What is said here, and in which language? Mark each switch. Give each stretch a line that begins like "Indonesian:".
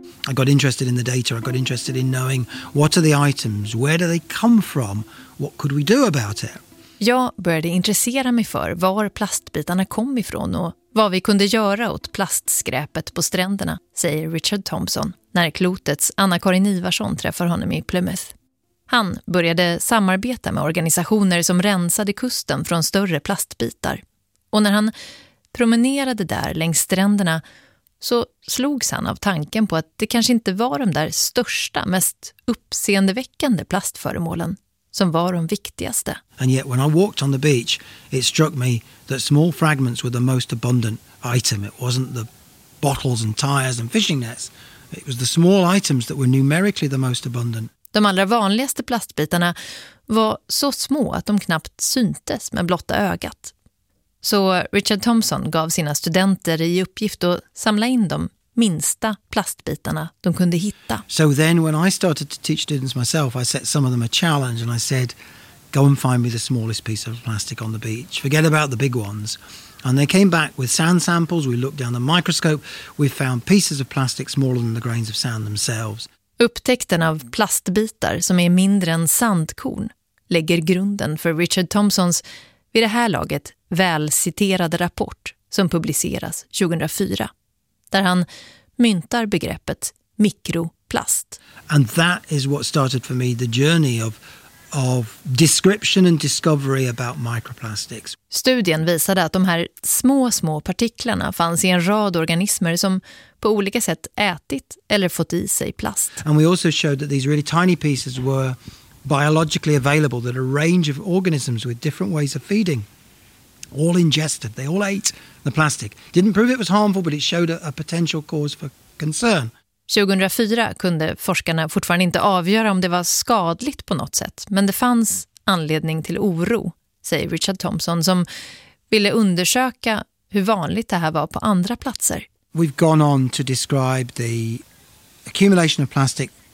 English: I got interested in the data, I got interested in knowing what are the items, where do they come from, what could we do about it?
Swedish: Jag började intressera mig för var plastbitarna kom ifrån och vad vi kunde göra åt plastskräpet på stränderna, säger Richard Thompson när Klotets Anna-Karin Ivarsson träffar honom i Plymouth. Han började samarbeta med organisationer som rensade kusten från större plastbitar. Och när han promenerade där längs stränderna så slogs han av tanken på att det kanske inte var de där största, mest uppseendeväckande plastföremålen som var de viktigaste.
English: And yet when I walked on the beach it struck me that small fragments were the most abundant item. It wasn't the bottles and tires and fishing nets. It was the small items that were numerically the most abundant.
Swedish: De allra vanligaste plastbitarna var så små att de knappt syntes med blotta ögat. Så Richard Thompson gav sina studenter i uppgift att samla in dem minsta plastbitarna de kunde hitta.
English: So then when I started to teach students myself, I set some of them a challenge and I said, go and find me the smallest piece of plastic on the beach. Forget about the big ones. And they came back with sand samples. We looked down the microscope. We found pieces of plastic smaller than the grains of sand themselves.
Swedish: Upptäckten av plastbitar som är mindre än sandkorn lägger grunden för Richard Thompsons vid det här laget välciterade rapport som publiceras 2004. Där han myntar begreppet mikroplast.
English: And that is what started for me the journey of description and discovery about microplastics.
Swedish: Studien visade att de här små partiklarna fanns i en rad organismer som på olika sätt ätit eller fått i sig plast.
English: And we also showed that these really tiny pieces were biologically available, that a range of organisms with different ways of feeding all ingested, they all ate the plastic. Didn't prove it was harmful, but it showed a potential cause for concern.
Swedish: 2004 kunde forskarna fortfarande inte avgöra om det var skadligt på något sätt, men det fanns anledning till oro, säger Richard Thompson, som ville undersöka hur vanligt det här var på andra platser.
English: We've gone on to describe the accumulation of plastic